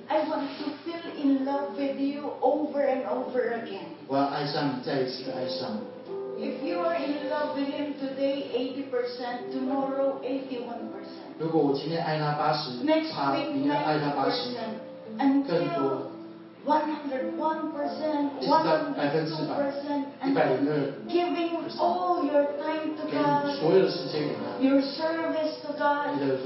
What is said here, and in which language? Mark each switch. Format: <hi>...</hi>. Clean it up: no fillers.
<en>I want to feel in love with you over and over again.</en> <zh>我要爱上你再一次的爱上,</zh> <en>if you are in love with him today, 80%, tomorrow, 81%.</en> <zh>如果我今天爱他80,</zh> <en>next week, 90%, until 101%, 102%, and giving all your time to God, your service to God.</en>